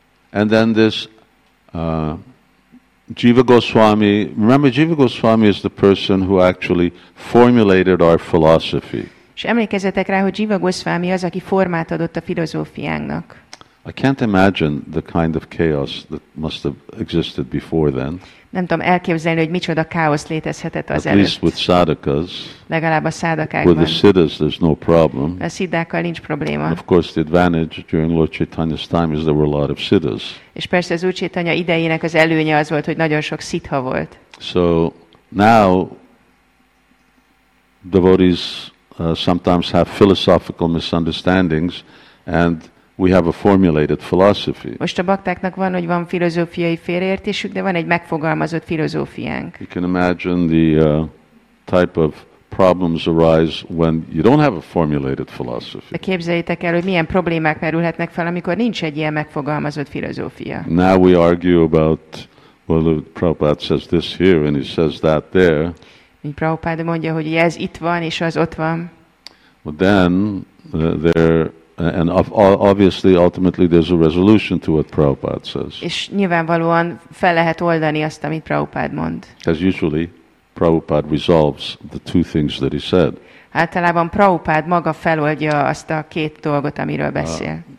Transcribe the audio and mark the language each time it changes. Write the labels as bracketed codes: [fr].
[en] And then this Jiva Goswami, remember Jiva Goswami is the person who actually formulated our philosophy. [hu] És emlékezzetek rá, hogy Jiva Goswami az, aki formát adott a filozófiánknak. [en] I can't imagine the kind of chaos that must have existed before then. [hu] Nem tudom elképzelni, hogy micsoda káosz létezhetett az előtt. [en] At least with sadhakas. [hu] Legalább a sadhakákban. [en] With the siddhas, there's no problem. [hu] A siddhákkal nincs probléma. [en] Of course, the advantage during Lord Chaitanya's time is there were a lot of siddhas. [hu] És persze az Úr Chaitanya idejének az előnye az volt, hogy nagyon sok siddha volt. [en] So now devotees sometimes have philosophical misunderstandings, and we have a formulated philosophy. [hu] Most a baktáknak van, hogy van filozófiai félreértésük, de van egy megfogalmazott filozófiánk. [en] You can imagine the type of problems arise when you don't have a formulated philosophy. [hu] De képzeljétek el, hogy milyen problémák merülhetnek fel, amikor nincs egy ilyen megfogalmazott filozófia. [en] Now we argue about, well, Prabhupada says this here, and he says that there. [hu] Mint Prabhupada mondja, hogy ez itt van, és az ott van. [en] But then there and obviously ultimately there's a resolution to what Prabhupada says. [hu] És nyilvánvalóan fel lehet oldani azt, amit Prabhupada mond. [en] As usually, Prabhupada resolves the two things that he said. [hu] Általában Prabhupada maga feloldja azt a két dolgot, amiről beszél.